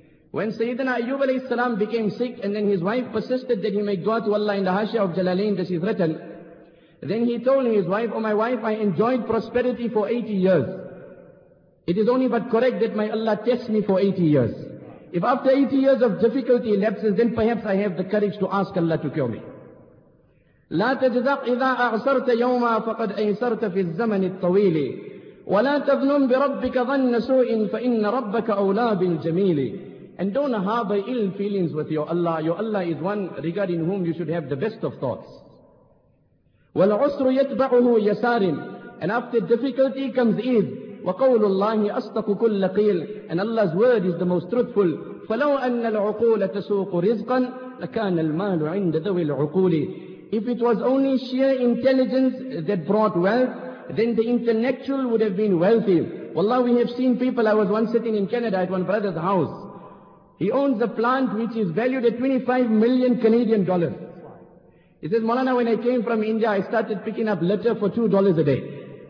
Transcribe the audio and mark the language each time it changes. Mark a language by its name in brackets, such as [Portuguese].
[English] When Sayyidina Ayyub alayhi salam became sick and then his wife persisted that he make dua to Allah in the Hashia of Jalalain that she's written, then he told his wife, "Oh my wife, I enjoyed prosperity for 80 years. It is only but correct that my Allah tests me for 80 years. If after 80 years of difficulty elapses, then perhaps I have the courage to ask Allah to cure me." [Arabic] لا تجزق إذا أعسرت يوما فقد أيسرت في الزمن الطويل ولا تظنن بربك ظن سوء فإن ربك أولى بالجميل. [English] And don't harbor ill feelings with your Allah is one regarding whom you should have the best of thoughts. [Arabic] والعسر يتبعه يسار. [English] And after difficulty comes ease. [Arabic] وقول الله أصدق كل قيل. [English] And Allah's word is the most truthful. [Arabic] فلو أن العقول تسوق رزقا لكان المال عند ذوي العقول. [English] If it was only sheer intelligence that brought wealth, then the intellectual would have been wealthy. Wallah, we have seen people. I was once sitting in Canada at one brother's house. He owns a plant which is valued at 25 million Canadian dollars. He says, "Maulana, when I came from India, I started picking up litter for $2 a day."